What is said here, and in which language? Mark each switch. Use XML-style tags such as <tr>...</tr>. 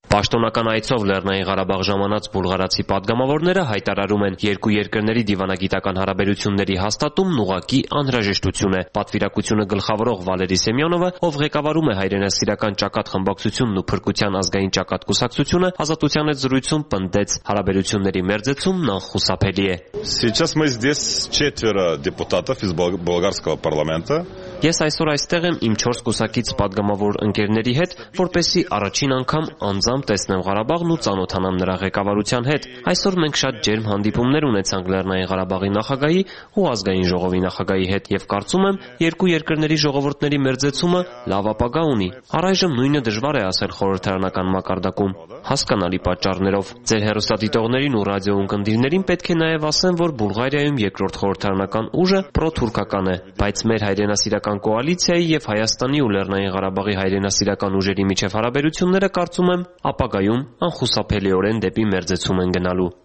<hy>Պաշտոնական այցով Լեռնային Ղարաբաղ ժամանած Բուլղարացի падգամավորները հայտարարում են, երկու երկրների դիվանագիտական հարաբերությունների հաստատումն ուղղակի անհրաժեշտություն է։ Պատվիրակությունը գլխավորող Վալերի Սեմյոնովը, ով ղեկավարում է հայրենասիրական ճակատ խմբակցությունն ու փրկության ազգային ճակատ կուսակցությունը, ազատության հետ զրույցում պնդեց, հարաբերությունների մերձեցում նախուսափելի է։</hy> <ru>Сейчас мы здесь четверо депутатов из болгарского парламента.</ru> <hy>Ես այսօր այստեղ եմ իմ 4 կուսակից падգամավոր ընկերների հետ, որպեսզի առաջին անգամ անձամբ տեսնեմ Ղարաբաղն ու ծանոթանամ նրա ղեկավարության հետ։ Այսօր մենք շատ ջերմ հանդիպումներ ունեցանք Լեռնային Ղարաբաղի նախագահի ու ազգային ժողովի նախագահի հետ եւ կարծում եմ, երկու երկրների ժողովուրդների մերձեցումը լավ ապագա ունի։ Առայժմ նույնը դժվար է ասել խորհրդարանական մակարդակում, հասկանալի պատճառներով։ Ձեր հերոսադիտողներին ու ռադիո ընկերներին պետք է նաեւ ասեմ, որ Բուլղարիայում երկրորդ խորհրդարանական ուժը պրոթուրքական է, բայց մեր հայրենասիրական կոալիցիայի եւ Հայաստանի ու Լեռնային Ղարաբաղի հայրենասիրական ուժերի միջև հարաբերությունները կարծում եմ ապագայում անխուսափելիորեն դեպի մերձեցում են գնալու։</hy>